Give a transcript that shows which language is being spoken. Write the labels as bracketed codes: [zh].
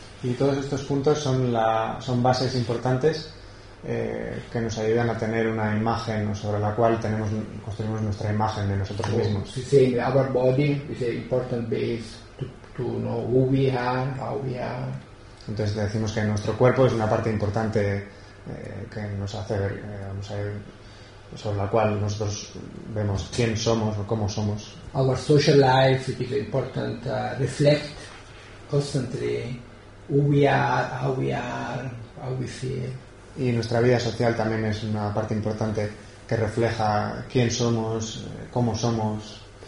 [es] Y todos estos puntos son la son bases importantes que nos ayudan a tener una imagen sobre la cual tenemos construimos nuestra imagen de nosotros mismos. [en] We say our body is an important base to know who we are, how we are. [es] Entonces decimos que nuestro cuerpo es una parte importante que nos hace ver, vamos a ver, sobre la cual nosotros vemos quién somos o cómo somos. [en] Our social life is important reflect constantly who we are, how we are, how we feel. [es] Y nuestra vida social también es una parte importante que refleja quién somos, cómo somos.